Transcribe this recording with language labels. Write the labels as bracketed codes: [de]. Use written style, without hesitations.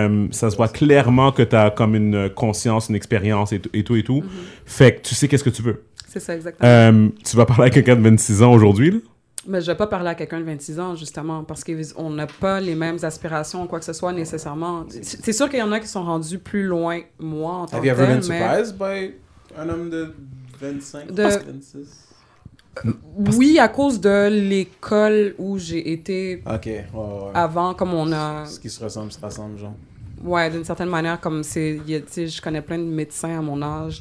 [fr] Ça se voit clairement que t'as comme une conscience, une expérience et tout. Mm-hmm. Fait que tu sais qu'est-ce que tu veux. C'est ça, exactement. Tu vas parler à quelqu'un de 26 ans aujourd'hui, là? Mais je vais pas parler à quelqu'un de 26 ans, justement, parce qu'on n'a pas les mêmes aspirations ou quoi que ce soit, nécessairement. C'est sûr qu'il y en a qui sont rendus plus loin, moi, en tant que... [en] Have you ever been surprised by [fr] un homme de 25 ou 26? Oui, à cause de l'école où j'ai été avant, comme on a... Ce qui se ressemble, genre. Ouais, d'une certaine manière, comme c'est... Tu sais, je connais plein de médecins à mon âge.